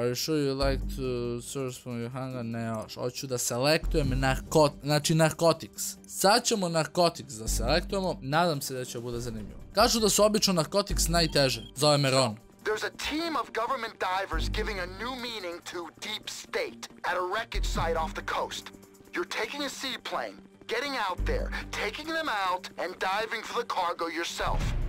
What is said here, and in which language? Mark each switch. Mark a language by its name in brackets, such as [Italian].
[English] Are you sure you like to source from your hangar? [Serbian] Ne, još. Hoću da selektujem narkotik, znači narkotics. Sad ćemo narkotics da selektujemo, nadam se da će bude zanimljivo. Kažu da su obično narkotics najteže, zove me Ron. [English] There's a team of government divers giving a new meaning to deep state at a wreckage site off the coast. You're taking a seaplane, getting out there, taking them out, and diving for the cargo yourself.